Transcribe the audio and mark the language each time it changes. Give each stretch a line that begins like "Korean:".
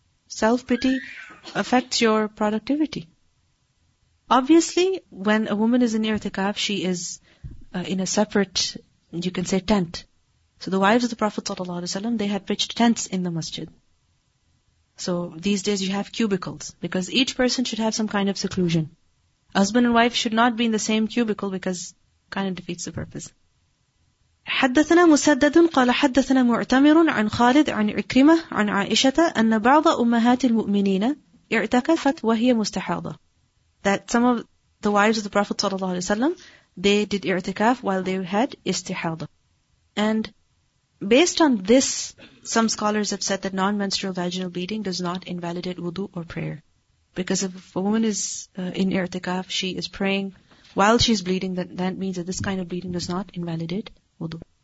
English: Self-pity affects your productivity. Obviously, when a woman is in i'tikaf, she is in a separate, you can say, tent. So the wives of the Prophet ﷺ, they had pitched tents in the masjid. So these days you have cubicles, because each person should have some kind of seclusion. Husband and wife should not be in the same cubicle, because kind of defeats the purpose.
Arabic: حدثنا مسدد قال حدثنا معتمر عن خالد عن عكرمة عن عائشة أن بعض أمهات المؤمنين اعتكفت وهي مستحاضة.
English: That some of the wives of the Prophet ﷺ, they did i'tikaf while they had istihada. And Based on this, some scholars have said that non-menstrual vaginal bleeding does not invalidate wudu or prayer. Because if a woman is in i'tikaf, she is praying while she's bleeding, that means that this kind of bleeding does not invalidate wudu.